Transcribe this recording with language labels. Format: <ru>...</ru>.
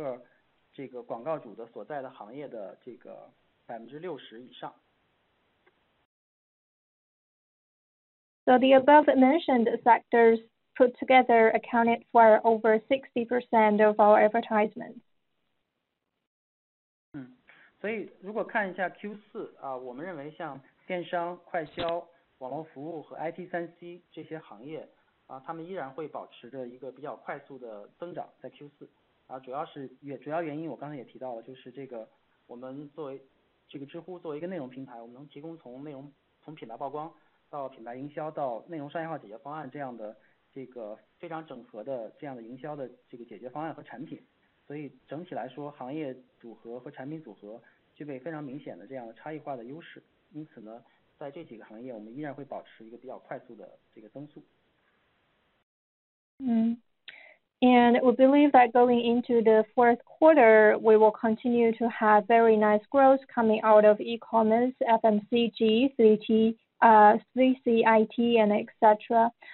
<zh>我刚提到这几个领域基本上占到了我们整个这个广告主的所在的行业的这个</zh> <en>So the above mentioned sectors put together accounted for over 60% of our advertisements.</en> <zh>所以如果看一下 Q4 我们认为像电商、快消、网络服务和 IT3C这些行业，他们依然会保持着一个比较快速的增长在 Q4，主要原因我刚才也提到了，就是这个我们作为这个知乎作为一个内容平台，我们能提供从内容品牌曝光到品牌营销到内容商业化解决方案这样的这个非常整合的这样的营销的这个解决方案和产品。所以整体来说，行业组合和产品组合具备非常明显的这样的差异化的优势。因此呢，在这几个行业，我们依然会保持一个比较快速的这个增速。</zh> <en>And we believe that going into the fourth quarter, we will continue to have very nice growth coming out of e-commerce, FMCG, 3CIT, and et cetera.</en>